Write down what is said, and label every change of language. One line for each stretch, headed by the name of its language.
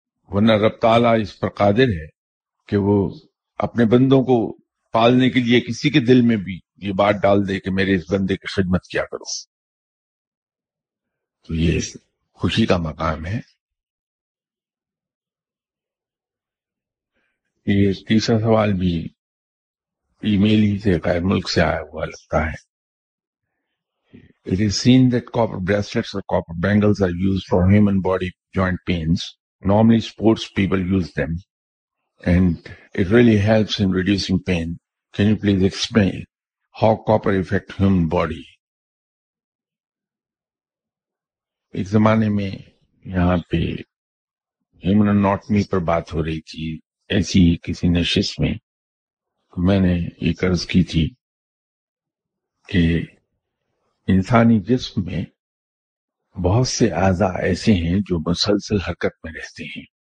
Urdu: ورنہ رب تعالیٰ اس پر قادر ہے کہ وہ اپنے بندوں کو پالنے کے لیے کسی کے دل میں بھی یہ بات ڈال دے کہ میرے اس بندے کی خدمت کیا کرو. تو یہ خوشی کا مقام ہے. یہ تیسرا سوال بھی ای میل ہی سے غیر ملک سے آیا ہوا لگتا ہے.
English: It is seen that copper bracelets or copper bangles are used for human body joint pains. Normally sports people use them and it really helps in reducing pain. Can you please explain how copper affects human body?
Urdu: ایک زمانے میں یہاں پہ human anatomy پر بات ہو رہی تھی، ایسی کسی نشست میں میں نے یہ قرض کی تھی کہ انسانی جسم میں بہت سے اعضاء ایسے ہیں جو مسلسل حرکت میں رہتے ہیں.